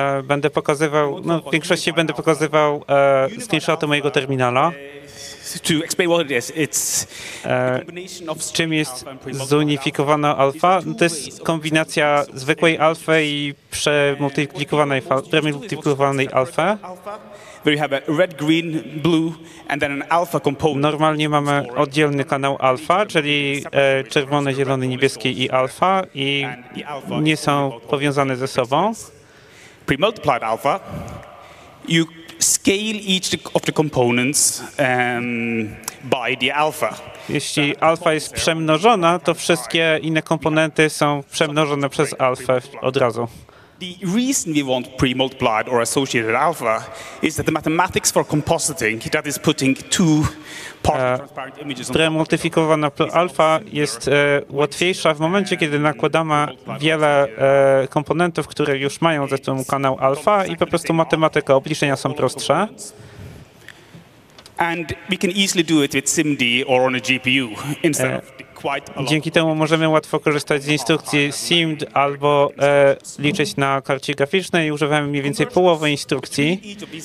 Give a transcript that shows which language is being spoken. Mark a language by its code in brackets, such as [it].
[pl] Będę pokazywał, no w większości będę pokazywał screenshoty mojego terminala. [en] To explain what it is, it's combination of [pl] czym jest zunifikowana alfa. No, to jest kombinacja zwykłej alfa i przemultiplikowanej premultiplikowanej alfa. [en] Where you have a red, green, blue, and then an alpha component. [pl] Normalnie mamy oddzielny kanał alfa, czyli czerwony, zielony, niebieski i alfa, i nie są powiązane ze sobą. [en] Pre-multiplied alpha, you scale each of the components by the alpha. [pl] Jeśli alfa jest przemnożona, to wszystkie inne komponenty są przemnożone przez alfa od razu. [en] The reason we want pre-multiplied or associated alpha is that the mathematics for compositing, that is putting two partially transparent images on the [pl] premultiplikowana alfa jest łatwiejsza w momencie, kiedy nakładamy wiele komponentów, które już mają ze sobą kanał alfa i po prostu matematyka obliczenia są prostsze. [en] And we can easily do it with SIMD or on a GPU instead of [pl] Dzięki temu możemy łatwo korzystać z instrukcji SIMD albo liczyć na karcie graficznej i używamy mniej więcej połowy instrukcji.